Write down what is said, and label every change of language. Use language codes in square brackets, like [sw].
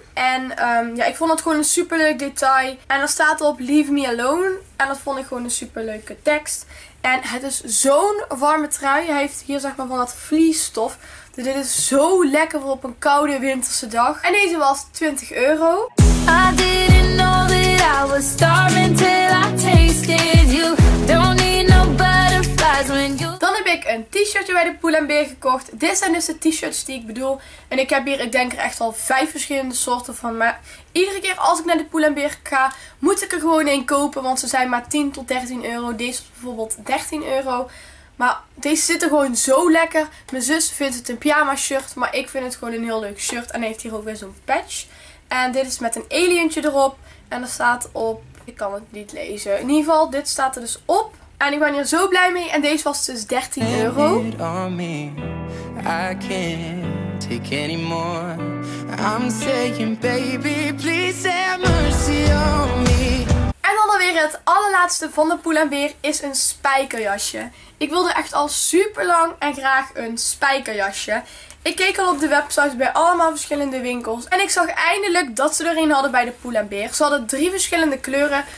[nl] En ja, ik vond het gewoon een superleuk detail. En er staat op Leave Me Alone. En dat vond ik gewoon een superleuke tekst. En het is zo'n warme trui. Hij heeft hier zeg maar van dat vliesstof. Dus dit is zo lekker voor op een koude winterse dag. En deze was 20 euro. [en] I didn't know that I was starving till I tasted you. Don't need no butterflies when you... [nl] Dan heb ik een t-shirtje bij de Pull & Bear gekocht. Dit zijn dus de t-shirts die ik bedoel. En ik heb hier, ik denk er echt al 5 verschillende soorten van. Maar iedere keer als ik naar de Pull & Bear ga, moet ik er gewoon één kopen. Want ze zijn maar 10 tot 13 euro. Deze is bijvoorbeeld 13 euro. Maar deze zitten gewoon zo lekker. Mijn zus vindt het een pyjama shirt. Maar ik vind het gewoon een heel leuk shirt. En hij heeft hier ook weer zo'n patch. En dit is met een alientje erop. En er staat op... Ik kan het niet lezen. In ieder geval, dit staat er dus op. En ik ben hier zo blij mee. En deze was dus 13 euro. [en] It on me. I can't take anymore. I'm saying baby, please have mercy on me. [nl] En dan alweer het allerlaatste van de Pull & Bear is een spijkerjasje. Ik wilde echt al super lang en graag een spijkerjasje. Ik keek al op de website bij allemaal verschillende winkels. En ik zag eindelijk dat ze er een hadden bij de Pull & Bear. Ze hadden 3 verschillende kleuren.